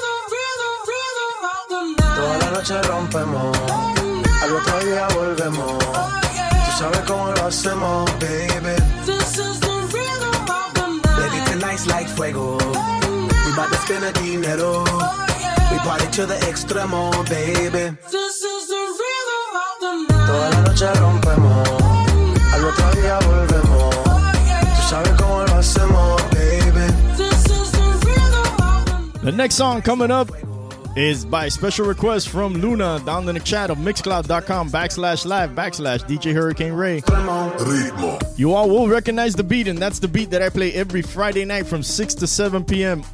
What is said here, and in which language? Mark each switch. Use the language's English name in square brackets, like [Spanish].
[Spanish] Toda la noche rompemos, al otro día volvemos. Oh, yeah. Tú sabes cómo lo hacemos, baby. [English] This is the rhythm of the night. Baby, tonight's like [Spanish] fuego. Oh, [English] we bout to spend the [Spanish] dinero. Oh, yeah. [English] We party to the [Spanish] extremo, [English] baby. This is the rhythm of the night. [Spanish] Toda la noche rompemos, oh, al otro día volvemos. Oh, yeah. Tú sabes cómo lo hacemos, baby. [English] This is the rhythm of the night. The next song coming up is by special request from Luna down in the chat of mixcloud.com/live/DJ Hurricane Ray. You all will recognize the beat, and that's the beat that I play every Friday night from 6 to 7 p.m.